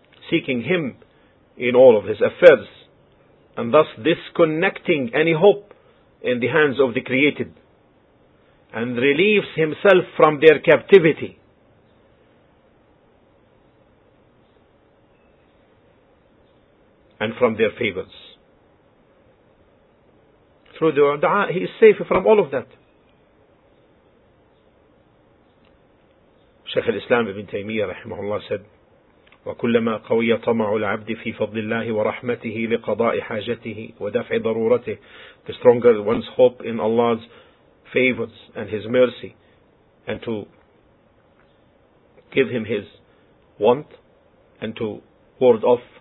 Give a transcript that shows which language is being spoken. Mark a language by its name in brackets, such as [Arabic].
[English] seeking him in all of his affairs, and thus disconnecting any hope in the hands of the created, and relieves himself from their captivity. And from their favors. Through the du'a, he is safe from all of that. [Arabic] Shaykh al-Islam ibn Taymiyyah rahimahullah said, وَكُلَّمَا قَوِيَّ طَمَعُ الْعَبْدِ فِي فَضْلِ اللَّهِ وَرَحْمَتِهِ لِقَضَاءِ حَاجَتِهِ وَدَفْعِ ضَرُورَتِهِ. [English] The stronger one's hope in Allah's favors and His mercy, and to give Him His want, and to ward off